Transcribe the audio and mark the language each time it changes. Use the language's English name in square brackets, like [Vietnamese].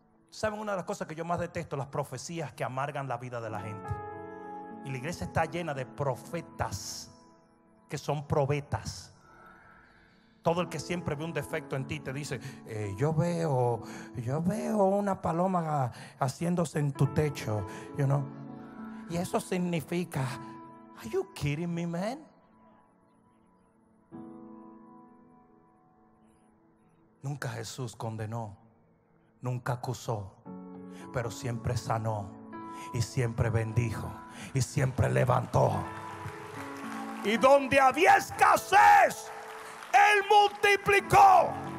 [Spanish] ¿Saben una de las cosas que yo más detesto? Las profecías que amargan la vida de la gente. Y la iglesia está llena de profetas que son probetas. Todo el que siempre ve un defecto en ti te dice: yo veo una paloma haciéndose en tu techo, [English] you know? [Spanish] Y eso significa, [English] are you kidding me, man? [Spanish] Nunca Jesús condenó, nunca acusó, pero siempre sanó, y siempre bendijo y siempre levantó. Y donde había escasez, Él multiplicó.